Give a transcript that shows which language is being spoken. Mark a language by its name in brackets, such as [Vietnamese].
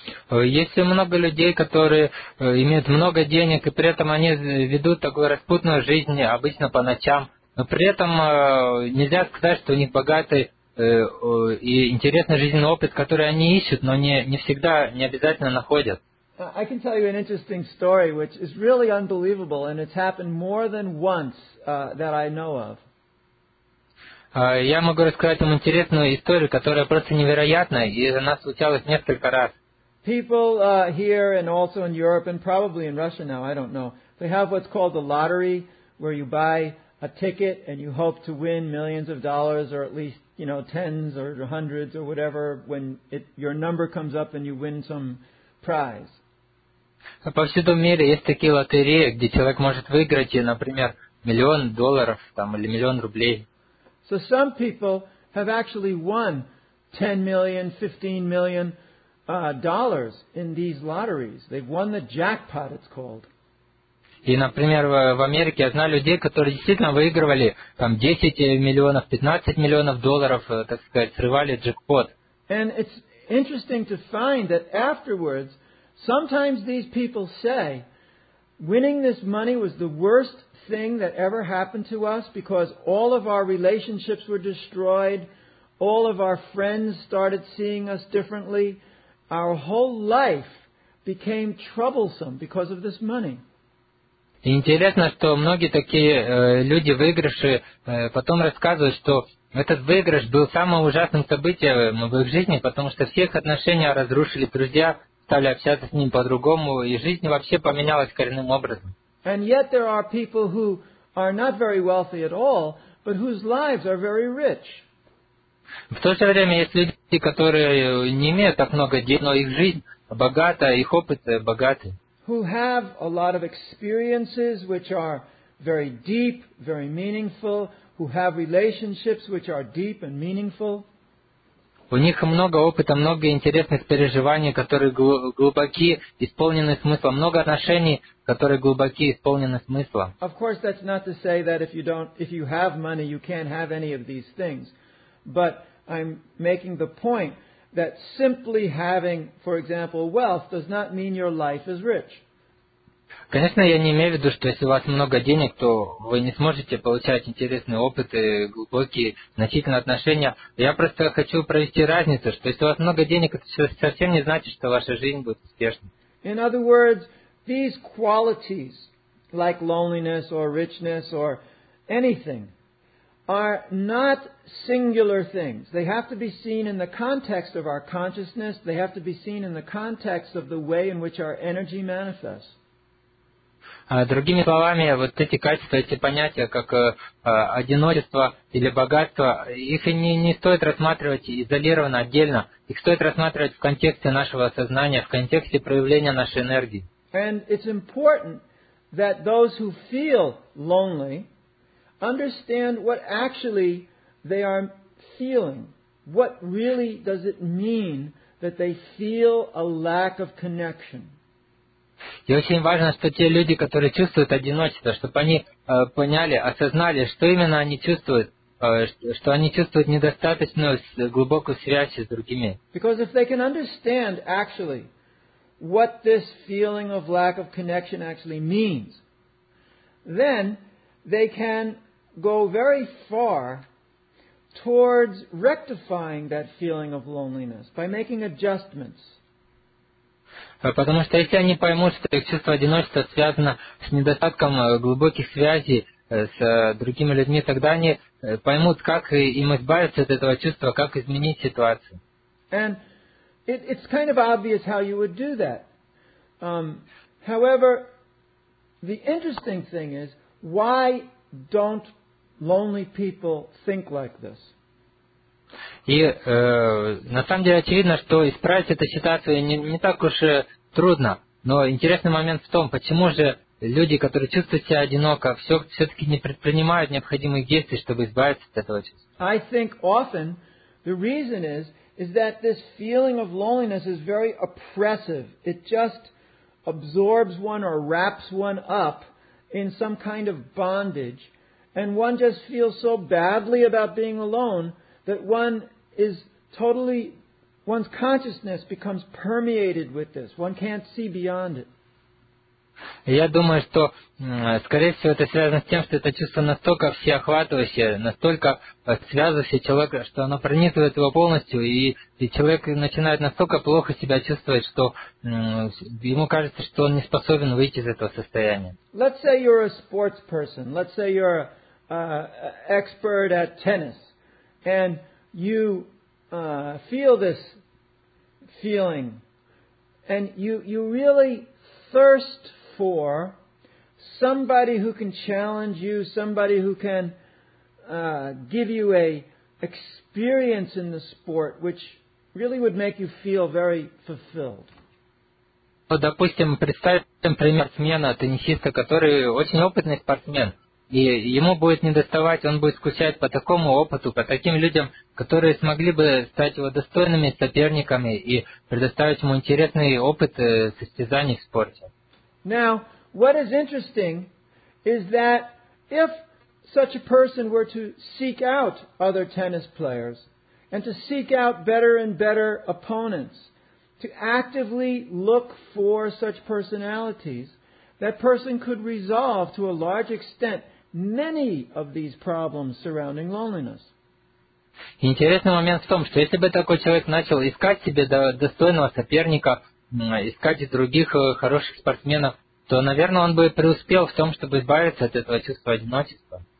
[Russian] Есть много людей, которые имеют много денег, и при этом они ведут такую распутную жизнь обычно по ночам, но при этом нельзя сказать, что у них богатый и интересный жизненный опыт, который они ищут, но не всегда, не обязательно находят. [English] I can tell you an interesting story, which is really unbelievable, and it's happened more than once that I know of. [Russian] Я могу рассказать вам интересную историю, которая просто невероятна, и она случалась несколько раз. [English] People here and also in Europe and probably in Russia now, I don't know, they have what's called a lottery, where you buy a ticket and you hope to win millions of dollars or at least, you know, tens or hundreds or whatever when your number comes up and you win some prize. [Russian] По всему миру есть такие лотереи, где человек может выиграть, например, миллион долларов там, или миллион рублей. [English] So some people have actually won 10 million, 15 million dollars in these lotteries. They've won the jackpot, it's called. [Russian] И, например, в Америке я знаю людей, которые действительно выигрывали там 10 миллионов, 15 миллионов долларов, так сказать, срывали джекпот. [English] And it's interesting to find that afterwards, sometimes these people say, winning this money was the worst thing that ever happened to us because all of our relationships were destroyed, all of our friends started seeing us differently, our whole life became troublesome because of this money. [Russian] Интересно, что многие такие люди, выигравшие, потом рассказывают, что этот выигрыш был самым ужасным событием в их жизни, потому что все их отношения разрушили, друзья стали общаться с ним по-другому, и жизнь вообще поменялась коренным образом. [English] And yet there are people who are not very wealthy at all, but whose lives are very rich. [Russian] В то же время есть люди, которые не имеют так много денег, но их жизнь богата, их опыт богатый. [English] Who have a lot of experiences which are very deep, very meaningful, who have relationships which are deep and meaningful. [Russian] У них много опыта, много интересных переживаний, которые глубоки, исполнены смыслом. Много отношений, которые глубоки, исполнены смыслом. [English] Of course, that's not to say that if you have money, you can't have any of these things. But I'm making the point that simply having, for example, wealth does not mean your life is rich. [Russian] Конечно, я не имею в виду, что если у вас много денег, то вы не сможете получать интересные опыты, глубокие, значительные отношения. Я просто хочу провести разницу, что если у вас много денег, это совсем не значит, что ваша жизнь будет успешной. [English] In other words, these qualities, like loneliness or richness or anything, are not singular things. They have to be seen in the context of our consciousness. They have to be seen in the context of the way in which our energy manifests. [Russian] Другими словами, вот эти качества, эти понятия, как одиночество или богатство, их не стоит рассматривать изолированно, отдельно. Их стоит рассматривать в контексте нашего сознания, в контексте проявления нашей энергии. [English] And it's important that those who feel lonely understand what actually they are feeling. What really does it mean that they feel a lack of connection? [Russian] И очень важно, что те люди, которые чувствуют одиночество, чтобы они поняли, осознали, что именно они чувствуют, что они чувствуют недостаточную глубокую связь с другими. [English] Because if they can understand actually what this feeling of lack of connection actually means, then they can go very far towards rectifying that feeling of loneliness by making adjustments. [Russian] Потому что если они поймут, что их чувство одиночества связано с недостатком глубоких связей с другими людьми, тогда они поймут, как им избавиться от этого чувства, как изменить ситуацию. [English] And it's kind of obvious how you would do that. However, the interesting thing is, why don't lonely people think like this? [Russian] И на самом деле очевидно, что исправить эту ситуацию не так уж трудно. Но интересный момент в том, почему же люди, которые чувствуют себя одиноко, все-таки не предпринимают необходимых действий, чтобы избавиться от этого чувства. [English] I think often the reason is that this feeling of loneliness is very oppressive. It just absorbs one or wraps one up in some kind of bondage. And one just feels so badly about being alone that one is totally, one's consciousness becomes permeated with this. One can't see beyond it. [Russian] Я думаю, что, скорее всего, это связано с тем, что это чувство настолько всеохватывающее, настолько связывающее человека, что оно пронизывает его полностью, и человек начинает настолько плохо себя чувствовать, что ему кажется, что он не способен выйти из этого состояния. [English] Let's say you're a sports person. Let's say you're an expert at tennis. And you feel this feeling. And you really thirst for somebody who can challenge you, somebody who can give you a experience in the sport, which really would make you feel very fulfilled. [Russian] Вот, допустим, представим пример спортсмена, теннисиста, который очень опытный спортсмен, и ему будет недоставать, он будет скучать по такому опыту, по таким людям, которые смогли бы стать его достойными соперниками и предоставить ему интересный опыт состязаний в спорте. [English] Now, what is interesting is that if such a person were to seek out other tennis players and to seek out better and better opponents, to actively look for such personalities, that person could resolve to a large extent many of these problems surrounding loneliness. [Russian] Интересный момент в том, что если бы такой человек начал искать себе достойного соперника, искать других хороших спортсменов, то, наверное, он бы преуспел в том, чтобы избавиться от этого чувства одиночества.